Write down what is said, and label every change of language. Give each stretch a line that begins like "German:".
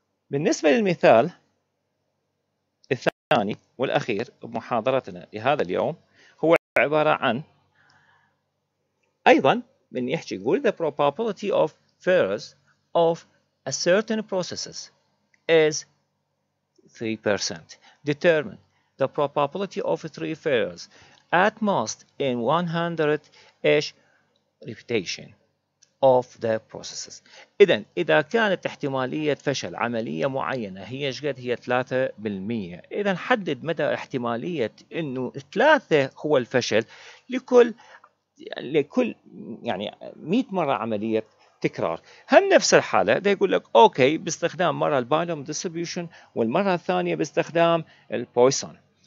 Arabic: بالنسبة للمثال الثاني والأخير بمحاضرتنا لهذا اليوم هو عبارة عن أيضا من يحكي يقول
English: the probability of failures of a certain processes is 3%. Determine the probability of three failures at most in 100-ish repetition of the processes.
Arabic: إذا كانت احتمالية فشل عملية معينة هي شقد هي 3%. إذا حدد مدى احتمالية إنه 3 هو الفشل لكل 100 مرة عملية تكرار. هل نفس الحالة؟ ده يقول لك أوكي باستخدام مرة البالوم ديستريبيوشن والمرة الثانية باستخدام البويسون.